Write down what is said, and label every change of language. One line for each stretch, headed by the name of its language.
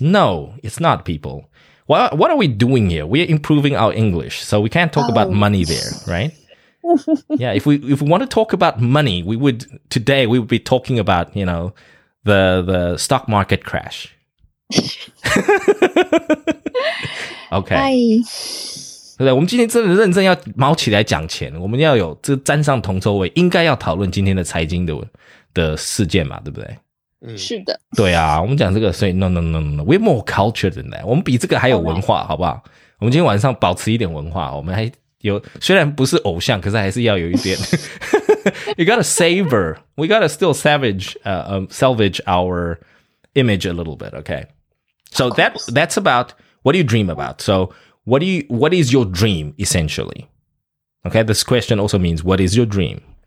English: No, it's not, people. What are we doing here? We are improving our English, so we can't talk about money there, right? Yeah, if we want to talk about money, we would be talking about, you know, the stock market crash. Okay. Hi.
Chinese: 对，我们今天真的认真要卯起来讲钱，我们要有这站上同舟位，应该要讨论今天的财经的事件嘛，对不对？是的，对啊，我们讲这个，所以
English: no, we're more cultured than that.
Chinese: 我们比这个还有文化， okay. 好不好？我们今天晚上保持一点文化，我们还有虽然不是偶像，可是还是要有一点。
English: You gotta savor. We gotta still salvage our image a little bit. Okay. So that's about what do you dream about? So what is your dream essentially? Okay. This question also means what is your dream?